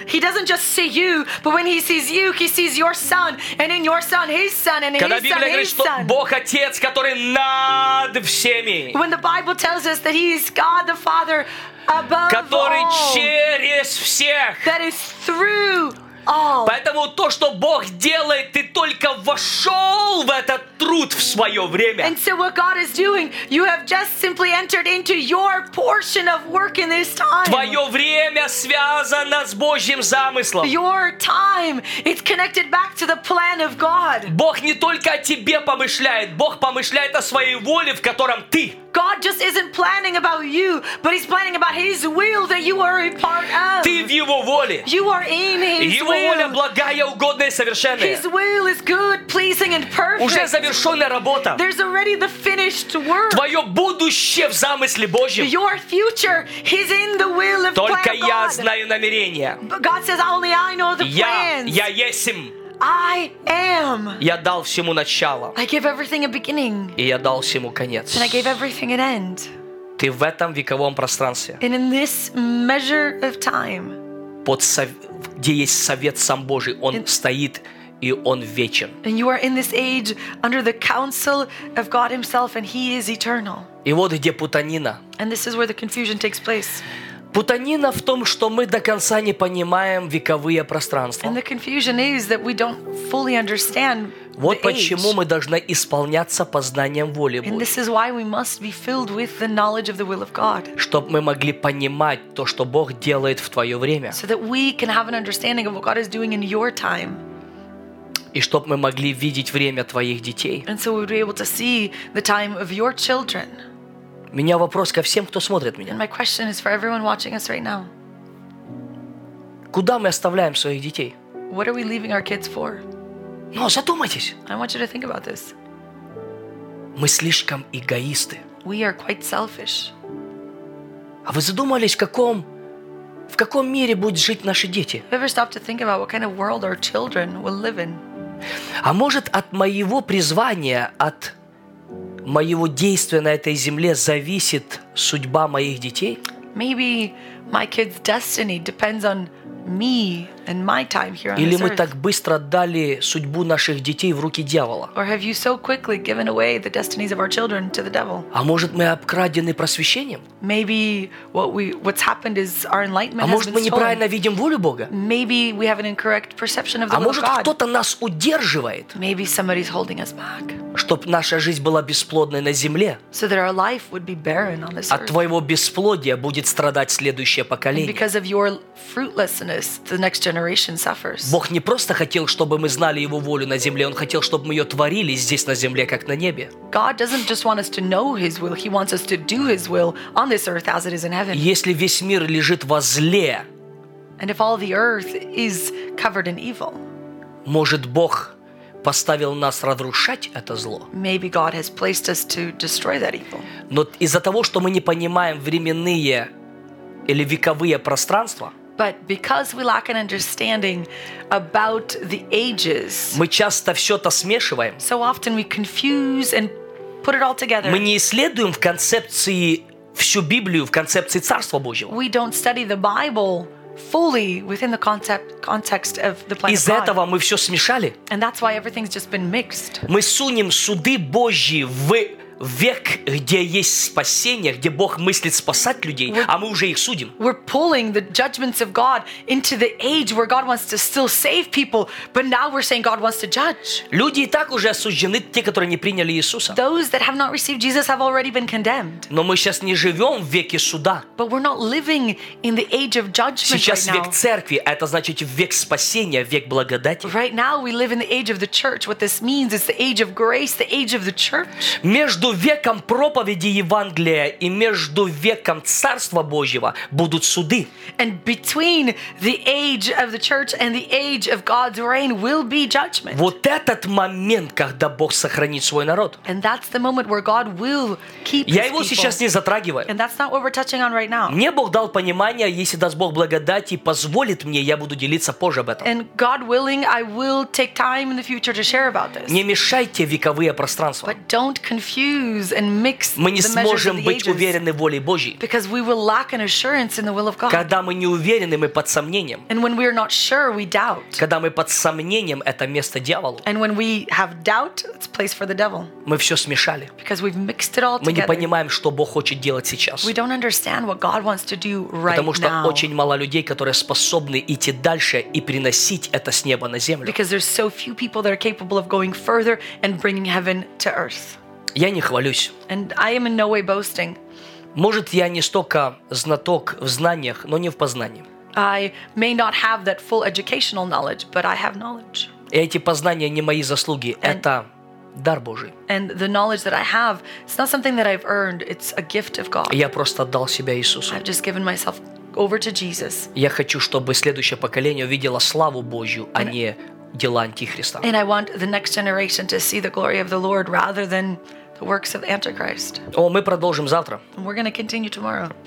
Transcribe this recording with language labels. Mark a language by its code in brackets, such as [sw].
[en] He doesn't just see you, but when he sees you, he sees your son, and in your son, his son, and [ru] Когда [en] his son, [ru] говорит, [en] his son. [ru] Бог Отец, который над всеми. [en] When the Bible tells us that he is God the Father above [ru] который [en] all, [ru] через всех. [en] That is through all. [ru] Поэтому то, что Бог делает, ты только вошел в этот труд в свое время. [en] And so what God is doing, you have just simply entered into your portion of work in this time. [ru] Твое время связано с Божьим замыслом. [en] Your time, it's connected back to the plan of God. [ru] Бог не только о тебе помышляет, Бог помышляет о своей воле, в котором ты. [en] God just isn't planning about you, but he's planning about his will that you are a part of. [ru] Ты в его воле. [en] You are in his will. [ru] Его воля благая, угодная, совершенная. [en] His will is good, pleasing and perfect. [ru] Уже завершенная работа. [en] There's already the finished work. [ru] Твое будущее в замысле Божьем. [en] Your future is in the will of God. [ru] Только я знаю намерения. [en] But God says only I know the plans. [ru] Я есть им. [en] I am. [ru] Я дал всему начало. [en] I gave everything a beginning. [ru] И я дал всему конец. [en] And I gave everything an end. [ru] Ты в этом вековом пространстве. [en] And in this measure of time. [ru] Под где есть совет сам Божий, он стоит и он вечен. [en] And you are in this age under the counsel of God himself and he is eternal. [ru] И вот где путанина. [en] And this is where the confusion takes place. [ru] Путанина в том, что мы до конца не понимаем вековые пространства. [en] And the confusion is that we don't fully understand the [ru] Вот почему age. Мы должны исполняться познанием воли Божьей. [en] And this is why we must be filled with the knowledge of the will of God. [ru] Чтобы мы могли понимать то, что Бог делает в твое время. [en] So that we can have an understanding of what God is doing in your time. [ru] И чтобы мы могли видеть время твоих детей. [en] And so we would be able to see the time of your children. [ru] У меня вопрос ко всем, кто смотрит меня. [en] And my question is for everyone watching us right now. [ru] Куда мы оставляем своих детей? [en] What are we leaving our kids for? [ru] Ну, задумайтесь. [en] I want you to think about this. [ru] Мы слишком эгоисты. [en] We are quite selfish. [ru] А вы задумались, в каком мире будут жить наши дети? [en] Have you ever stopped to think about what kind of world our children will live in? [ru] А может, от моего призвания, от моего действия на этой земле зависит судьба моих детей? [en] Maybe my kid's destiny depends on me and my time here on this [ru] Или мы так быстро отдали судьбу наших детей в руки дьявола? [en] Or have you so quickly given away the destinies of our children to the devil? [ru] А может, мы обкрадены просвещением? [en] Maybe what's happened is our enlightenment [ru] А может, мы неправильно видим волю Бога? [en] Maybe we have an incorrect perception of the will of God. [ru] А может, кто-то нас удерживает? [en] Maybe somebody's holding us back. [ru] Чтоб наша жизнь была бесплодной на земле. [en] So that our life would be barren on this earth. [ru] От твоего бесплодия будет страдать следующее поколение. [en] Because of your fruitlessness, the next generation suffers. [ru] Бог не просто хотел, чтобы мы знали его волю на земле, он хотел, чтобы мы ее творили здесь на земле, как на небе. [en] God doesn't just want us to know his will, he wants us to do his will on this earth as it is in heaven. [ru] Если весь мир лежит во зле, [en] and if all the earth is covered in evil, [ru] может, Бог поставил нас разрушать это зло. [en] Maybe God has placed us to destroy that evil. [ru] Но из-за того, что мы не понимаем временные или вековые пространства, [en] but because we lack an understanding about the ages, [ru] мы часто все-то смешиваем. [en] So often we confuse and put it all together. [ru] Мы не исследуем в концепции всю Библию, в концепции Царства Божьего. [en] We don't study the Bible fully within the context of the plan of God. [ru] Из-за этого мы все смешали. [en] And that's why everything's just been mixed. [ru] Мы сунем суды Божьи в век, где есть спасение, где Бог мыслит спасать людей, а мы уже их судим. [en] We're pulling the judgments of God into the age where God wants to still save people, but now we're saying God wants to judge. [ru] Люди и так уже осуждены, те, которые не приняли Иисуса. [en] Those that have not received Jesus have already been condemned. [ru] Но мы сейчас не живем в веке суда. [en] But we're not living in the age of judgment right now. [ru] Сейчас век [en] right [ru] церкви, а это значит век спасения, век благодати. [en] Right now we live in the age of the church. What this means is the age of grace, the age of the church. [ru] Между веком проповеди Евангелия и между веком Царства Божьего будут суды. [en] And between the age of the church and the age of God's reign will be judgment. [ru] Вот этот момент, когда Бог сохранит свой народ. [en] And that's the moment where God will keep [ru] Я его сейчас не затрагиваю. [en] And that's not what we're touching on right now. [ru] Мне Бог дал понимание, если даст Бог благодать и позволит мне, я буду делиться позже об этом. [en] And God willing, I will take time in the future to share about this. [ru] Не мешайте вековые пространства. [en] But don't confuse confuse and mix the measures of the ages. [ru] Мы не сможем быть уверены в воле Божьей. [en] Because we will lack an assurance in the will of God. [ru] Когда мы не уверены, мы под сомнением. [en] And when we are not sure, we doubt. [ru] Когда мы под сомнением, это место дьяволу. [en] And when we have doubt, it's a place for the devil. [ru] Мы все смешали. [en] Because we've mixed it all together. [ru] Мы не понимаем, что Бог хочет делать сейчас. [en] We don't understand what God wants to do right now. [ru] Потому что очень мало людей, которые способны идти дальше и приносить это с неба на землю. [en] Because there's so few people that are capable of going further and bringing heaven to earth. [ru] Я не хвалюсь. [en] And I am in no way boasting. [ru] Может, я не столько знаток в знаниях, но не в познании. [en] I may not have that full educational knowledge, but I have knowledge. [ru] И эти познания не мои заслуги, это дар Божий. [en] And the knowledge that I have, it's not something that I've earned, it's a gift of God. [ru] Я просто отдал себя Иисусу. [en] I've just given myself over to Jesus. [ru] Я хочу, чтобы следующее поколение увидело славу Божью, а не дела Антихриста. [en] And I want the next generation to see the glory of the Lord rather than the works of Antichrist. [ru] О, мы продолжим завтра. [en] And we're going to continue tomorrow.